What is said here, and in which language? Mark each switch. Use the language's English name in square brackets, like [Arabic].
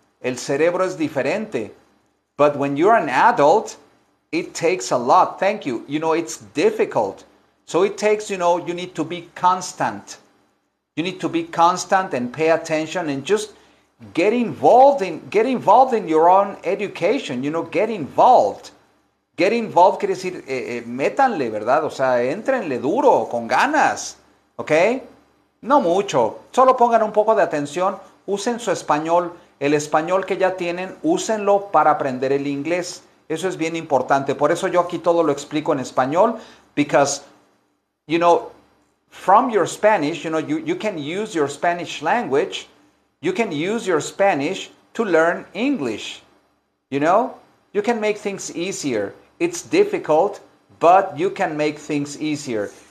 [Spanish] El cerebro es diferente. [English] But when you're an adult, it takes a lot. Thank you. You know, it's difficult. So it takes, you know, you need to be constant. You need to be constant and pay attention and just get involved in your own education. You know, get involved. Get involved [Spanish] quiere decir, métanle, ¿verdad? O sea, entrenle duro, con ganas, ¿ok? No mucho, solo pongan un poco de atención, usen su español, el español que ya tienen, úsenlo para aprender el inglés. Eso es bien importante. Por eso yo aquí todo lo explico en español. [English] Because, you know, from your Spanish, you know, you can use your Spanish language. You can use your Spanish to learn English. You know, you can make things easier. It's difficult, but you can make things easier.